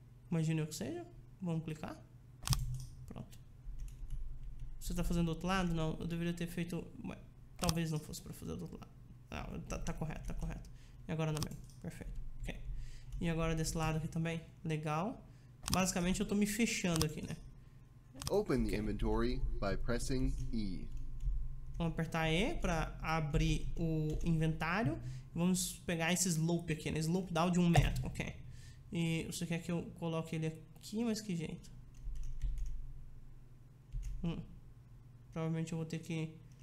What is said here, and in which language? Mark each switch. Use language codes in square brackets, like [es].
[pt] Imagine o que seja. Vamos clicar. Pronto. Você tá fazendo do outro lado? Não. Eu deveria ter feito. Talvez não fosse para fazer do outro lado. Não, tá correto. E agora não mesmo. Perfeito. Ok. E agora desse lado aqui também. Legal. Basicamente eu tô me fechando aqui, né? [en] Open the inventory by pressing E. [pt] Vamos apertar E para abrir o inventário. Vamos pegar esse slope aqui, né? Slope down de 1 metro, ok. E você quer que eu coloque ele aqui, mas que jeito? Provavelmente eu vou ter que...